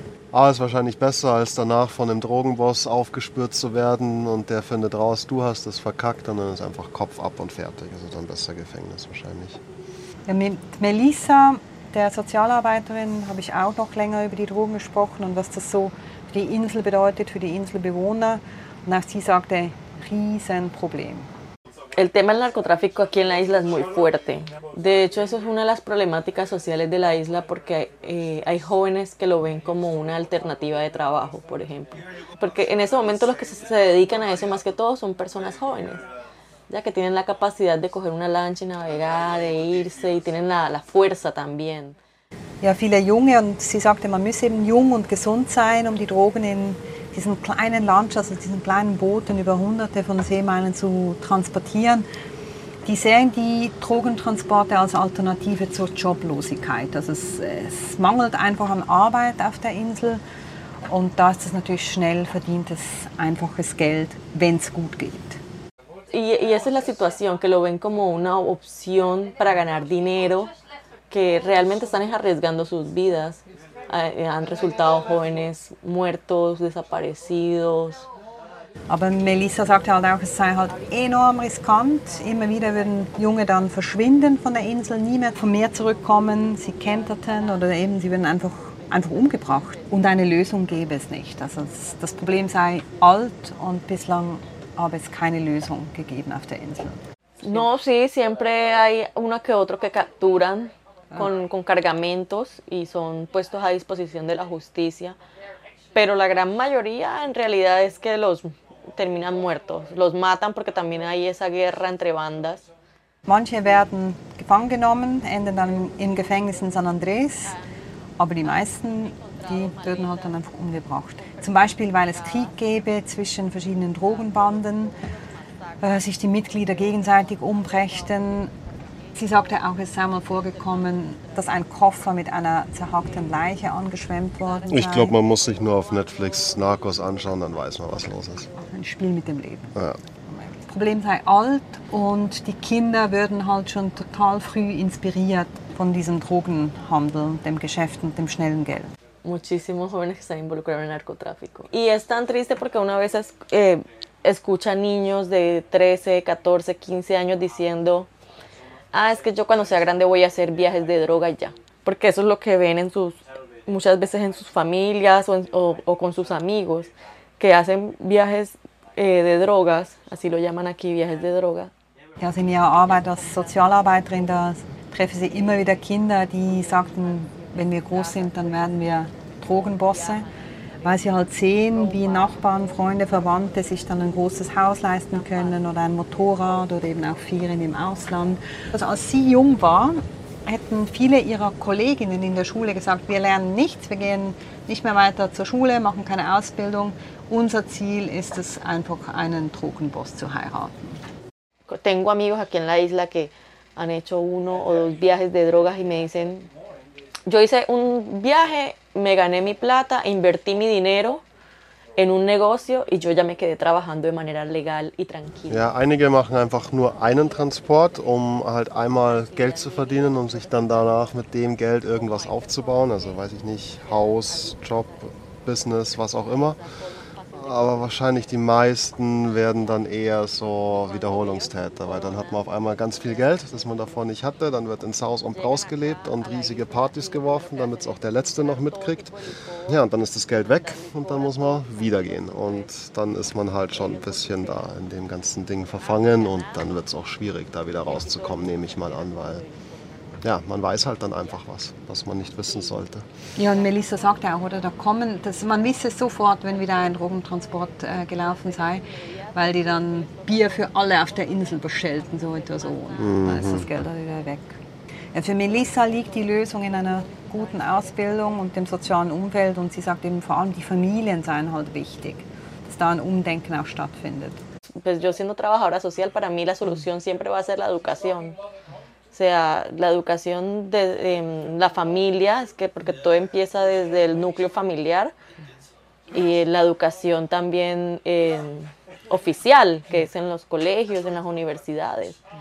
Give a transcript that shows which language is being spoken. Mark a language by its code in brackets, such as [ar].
[de] Ah, ist wahrscheinlich besser, als danach von einem Drogenboss aufgespürt zu werden und der findet raus, du hast es verkackt, und dann ist einfach Kopf ab und fertig. Also dann besser Gefängnis wahrscheinlich. Ja, mit Melissa, der Sozialarbeiterin, habe ich auch noch länger über die Drogen gesprochen und was das so für die Insel bedeutet, für die Inselbewohner. Und auch sie sagte, Riesenproblem. [es] El tema del narcotráfico aquí en la isla es muy fuerte. De hecho, eso es una de las problemáticas sociales de la isla porque hay jóvenes que lo ven como una alternativa de trabajo, por ejemplo. Porque en ese momento los que se dedican a eso más que todo son personas jóvenes, ya que tienen la capacidad de coger una lancha y navegar, de irse y tienen la fuerza también. [de] Ja, viele junge und sie sagte, man muss eben jung und gesund sein, um die Drogen in diesen kleinen Lanchas, also diesen kleinen Booten über hunderte von Seemeilen zu transportieren. Die sehen die Drogentransporte als Alternative zur Joblosigkeit. Also es mangelt einfach an Arbeit auf der Insel und da ist es natürlich schnell verdientes, einfaches Geld, wenn es gut geht. [es] Y esa es la situación, que lo ven como una opción para ganar dinero, que realmente están arriesgando sus vidas. Han resultado jóvenes muertos, desaparecidos. [de] Aber Melissa sagte halt auch, es sei halt enorm riskant. Immer wieder würden Junge dann verschwinden von der Insel, nie mehr vom Meer zurückkommen. Sie kenterten oder eben sie würden einfach umgebracht. Und eine Lösung gäbe es nicht. Also das Problem sei alt und bislang habe es keine Lösung gegeben auf der Insel. [es] No, sí, siempre hay uno que otro que capturan. Con cargamentos y son puestos a disposición de la justicia, pero la gran mayoría en realidad es que los terminan muertos, los matan porque también hay esa guerra entre bandas. [de] Manche werden gefangen genommen, enden dann im Gefängnis in San Andrés, aber die meisten, die werden halt dann einfach umgebracht. Zum Beispiel, weil es Krieg gäbe zwischen verschiedenen Drogenbanden, sich die Mitglieder gegenseitig umbrächten. Sie sagte auch, es sei mal vorgekommen, dass ein Koffer mit einer zerhackten Leiche angeschwemmt worden sei. Ich glaube, man muss sich nur auf Netflix Narcos anschauen, dann weiß man, was los ist. Ein Spiel mit dem Leben. Ja. Das Problem sei alt und die Kinder würden halt schon total früh inspiriert von diesem Drogenhandel, dem Geschäft und dem schnellen Geld. [es] Muchísimos jóvenes que están involucrados en narcotráfico. Y es tan triste porque una vez escucha niños de 13, 14, 15 años diciendo: ah, es que yo cuando sea grande voy a hacer viajes de droga ya. Porque eso es lo que ven en sus, muchas veces en sus familias o con sus amigos, que hacen viajes de drogas, así lo llaman aquí, viajes de droga. [de] Ja, in ihrer Arbeit als Sozialarbeiterin, da treffe sie immer wieder Kinder, die sagten, wenn wir groß sind, dann werden wir Drogenbosse. Weil sie halt sehen, wie Nachbarn, Freunde, Verwandte sich dann ein großes Haus leisten können oder ein Motorrad oder eben auch Ferien im Ausland. Also als sie jung war, hätten viele ihrer Kolleginnen in der Schule gesagt, wir lernen nichts, wir gehen nicht mehr weiter zur Schule, machen keine Ausbildung. Unser Ziel ist es einfach, einen Drogenboss zu heiraten. [es] Tengo amigos aquí en la isla que han hecho uno o dos viajes de drogas y me dicen, yo hice un viaje, me gané mi plata, invertí mi dinero en un negocio y yo ya me quedé trabajando de manera legal y tranquila. [de] Ja, einige machen einfach nur einen Transport, um halt einmal Geld zu verdienen, um sich dann danach mit dem Geld irgendwas aufzubauen, also weiß ich nicht, Haus, Job, Business, was auch immer. Aber wahrscheinlich die meisten werden dann eher so Wiederholungstäter, weil dann hat man auf einmal ganz viel Geld, das man davor nicht hatte. Dann wird ins Haus und Braus gelebt und riesige Partys geworfen, damit es auch der Letzte noch mitkriegt. Ja, und dann ist das Geld weg und dann muss man wieder gehen. Und dann ist man halt schon ein bisschen da in dem ganzen Ding verfangen und dann wird es auch schwierig, da wieder rauszukommen, nehme ich mal an, weil ja, man weiß halt dann einfach was, was man nicht wissen sollte. Ja, und Melissa sagt ja auch, oder, da kommen, dass man wisse sofort, wenn wieder ein Drogentransport gelaufen sei, weil die dann Bier für alle auf der Insel bestellten, so etwa so. Mhm. Dann ist das Geld dann wieder weg. Ja, für Melissa liegt die Lösung in einer guten Ausbildung und dem sozialen Umfeld. Und sie sagt eben vor allem, die Familien seien halt wichtig, dass da ein Umdenken auch stattfindet. [es] Pues yo siendo trabajadora social, para mí la solución siempre va a ser la educación. O sea, la educación de la familia, es que porque todo empieza desde el núcleo familiar, y la educación también oficial, que es en los colegios, en las universidades.